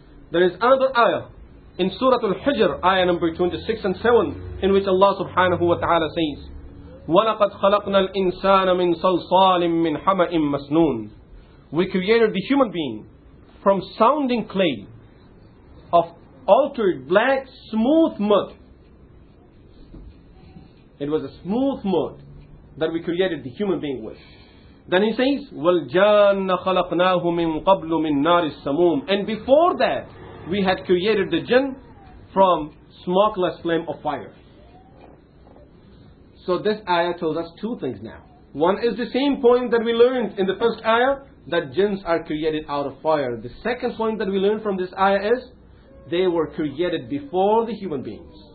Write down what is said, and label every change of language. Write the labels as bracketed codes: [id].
[en] There is another ayah in Surah Al-Hijr, ayah number 26 and 7, in which Allah subhanahu wa ta'ala says, [ar] وَلَقَدْ خَلَقْنَا الْإِنسَانَ مِنْ صَلْصَالٍ مِنْ حَمَئٍ مَسْنُونَ. [en] We created the human being from sounding clay of altered black smooth mud. It was a smooth mud that we created the human being with. Then he says, [ar] وَالْجَانَّ خَلَقْنَاهُ مِنْ قَبْلُ مِنْ نَارِ السَّمُومِ. [en] And before that, we had created the jinn from smokeless flame of fire. So this ayah tells us two things now. One is the same point that we learned in the first ayah, that jinns are created out of fire. The second point that we learned from this ayah is, they were created before the human beings.